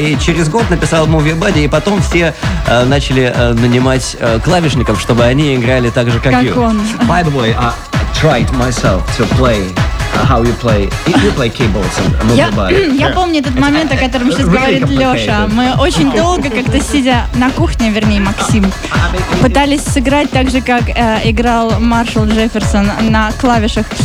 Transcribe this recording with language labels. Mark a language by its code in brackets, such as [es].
[ru] И через год написал Move Your Body, и потом все начали нанимать клавишников, чтобы они играли так же, как [en] you. [ru] Как он. [en] By the way, tried myself to play how you play. You play keyboards and move your body. [ru] Я помню этот момент, о котором сейчас говорит Леша. Мы очень долго, как-то сидя на кухне, вернее, Максим, пытались сыграть так же, как играл Маршал Джефферсон на клавишах.